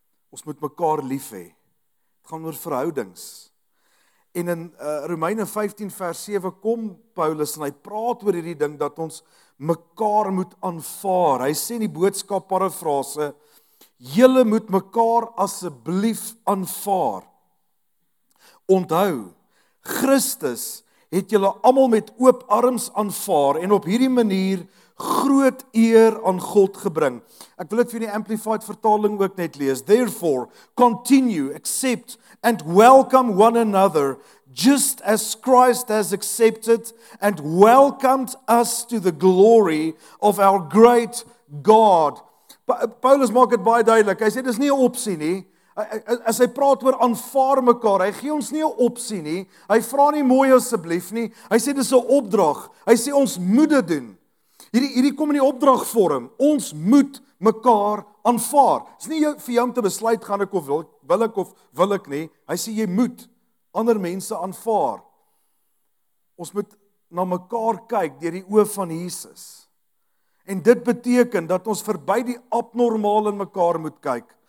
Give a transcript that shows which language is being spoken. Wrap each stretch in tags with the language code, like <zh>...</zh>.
<af>Ons moet mekaar lief hê. Dit gaan oor verhoudings. En in Romeine 15 vers 7 kom Paulus en hy praat oor hierdie ding dat ons mekaar moet aanvaar. Hy sê in die boodskap parafrase, julle moet mekaar asseblief aanvaar. Onthou, Christus het julle almal met oop arms aanvaar en op hierdie manier groot eer aan God gebring. Ek wil dit vir die Amplified vertaling ook net lees.</af> <en>Therefore, continue, accept and welcome one another just as Christ has accepted and welcomed us to the glory of our great God.</en> <af>Paulus maak dit baie duidelik. Hy sê, dis nie 'n opsie nie. As hy praat oor aanvaar mekaar, hy gee ons nie 'n opsie nie. Hy vra nie mooi asseblief nie. Hy sê, dis 'n opdrag. Hy sê, ons moet dit doen. Hierdie kom in die opdragvorm. Ons moet mekaar aanvaar. Dis nie jou, vir jou om te besluit, gaan ek of wil ek of wil ek nie. Hy sê, jy moet ander mense aanvaar. Ons moet na mekaar kyk deur die oë van Jesus. En dit beteken dat ons verby die abnormaal in mekaar moet kyk.</af>